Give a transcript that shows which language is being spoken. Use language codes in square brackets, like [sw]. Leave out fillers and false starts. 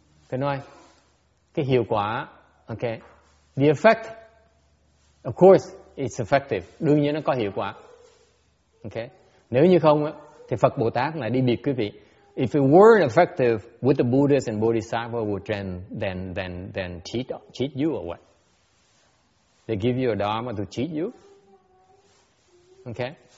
[vi] Tôi nói, cái hiệu quả, okay, [en] the effect, of course, it's effective. [vi] Đương nhiên nó có hiệu quả. Okay. Nếu như không, thì Phật Bồ Tát lại đi biệt quý vị. [en] If it weren't effective, would the Buddhists and Bodhisattvas would then cheat you or what? They give you a dharma to cheat you? Okay.